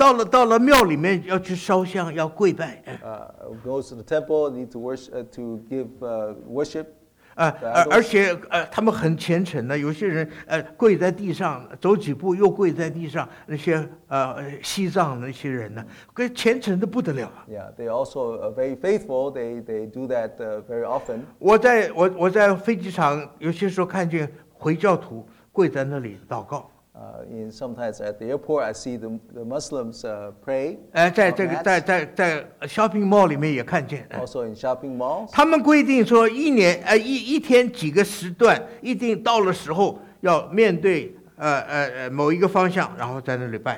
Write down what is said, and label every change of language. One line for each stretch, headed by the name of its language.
Chinese: 到了庙里面要去烧香，要跪拜。
English: Goes to the temple, need to worship, to give worship.
Chinese: 而且他们很虔诚的，有些人跪在地上，走几步又跪在地上。那些西藏那些人呢，跟虔诚的不得了。
English: Yeah, they also very faithful. They do that very often.
Chinese: 我在飞机场有些时候看见回教徒跪在那里祷告。
English: Sometimes at the airport, I see the Muslims pray.
Chinese: 在 shopping mall 里面也看见。
English: Also in shopping malls.
Chinese: 他们规定说一年一天几个时段，一定到了时候要面对某一个方向，然后在那里拜。